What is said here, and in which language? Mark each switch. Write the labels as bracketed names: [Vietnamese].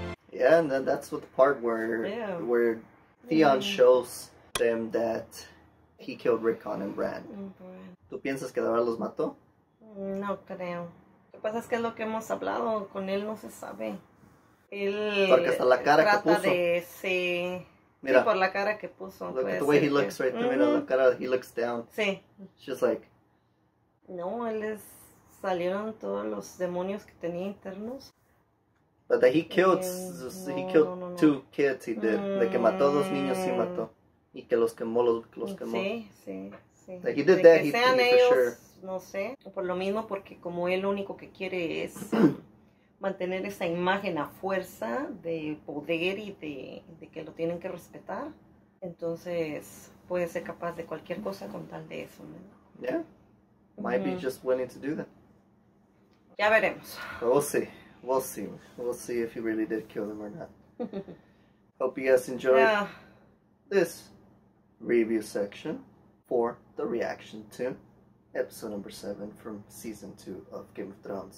[English] Yeah, and then that's what the part where Theon shows them that he killed Rickon and Bran. [Spanish] ¿Tú piensas que de verdad los mató? No creo. Lo que pasa es que lo que hemos hablado con él no se sabe. Porque hasta la cara trata que puso. De, sí. Mira, sí, por la cara que puso. [English] Look at the way he looks right there. [Spanish] Mira la cara, [English] he looks down. [Spanish] Sí. [English] She's like. [Spanish] No, él es, salieron todos los demonios que tenía internos. [English] But that he killed, he killed two kids, he did. [Spanish] De que mató dos niños, sí mató. Y que los quemó. Sí, sí, sí. [English] That he did de that, he did for [Spanish] ellos, [English] sure. [Spanish] No sé, por lo mismo, porque como él lo único que quiere es... mantener esa imagen a fuerza de poder y de que lo tienen que respetar. Entonces, puede ser capaz de cualquier cosa con tal de eso, ¿no? [English] Yeah. Might be just willing to do that. [Spanish] Ya veremos. [English] We'll see if he really did kill them or not. Hope you guys enjoyed this review section for the reaction to episode number 7 from season 2 of Game of Thrones.